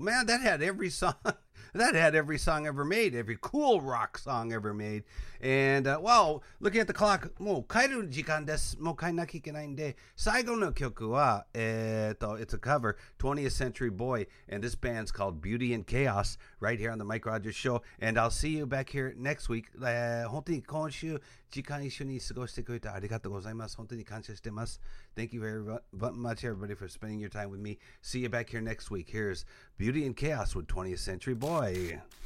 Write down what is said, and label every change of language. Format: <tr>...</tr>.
<en>Man, that had every song ever made, every cool rock song ever made. And, well, looking at the clock,</en> <ja>もう帰る時間です。もう帰らなきゃいけないんで、最後の曲は、</ja> <en>it's a cover, 20th Century Boy, and this band's called Beauty and Chaos, right here on the Mike Rogers Show. And I'll see you back here next week.</en> <ja>本当に今週、時間一緒に過ごしてくれてありがとうございます。本当に感謝してます。</ja> <en>Thank you very much, everybody, for spending your time with me. See you back here next week. Here's Beauty and Chaos with 20th Century Boy.</en>